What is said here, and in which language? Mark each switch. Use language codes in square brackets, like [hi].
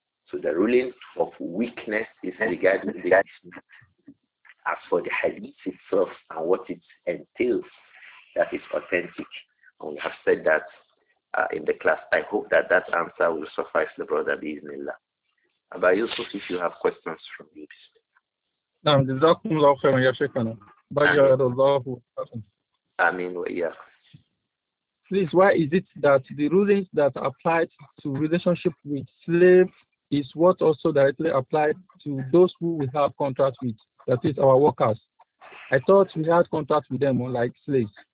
[en] So the ruling of weakness is regarding the isnad. As for the hadith itself and what it entails, that is authentic. And we have said that in the class. I hope that that answer will suffice the brother, bismillah. Aba Yusuf, if you have questions from me, please. [ar] نعم جزاكم الله خيرا يا شيخنا بجعل الله آمين وإياك [en] please, why is it that the rulings that applied to relationship with slaves is what also directly applied to those who we have contracts with, that is our workers? I thought we had contracts with them, like slaves.